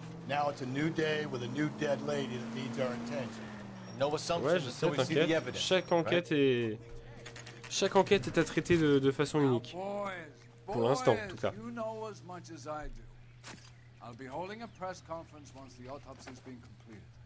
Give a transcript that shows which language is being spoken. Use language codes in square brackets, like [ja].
[en] Now it's a new day with a new dead lady that needs our attention. No assumptions. [fr] Ouais, je sais, t'inquiète. Chaque enquête est à traiter de façon unique. Pour l'instant, en tout cas. [en] You know as much as I do. I'll be holding a press conference once the autopsy's been completed.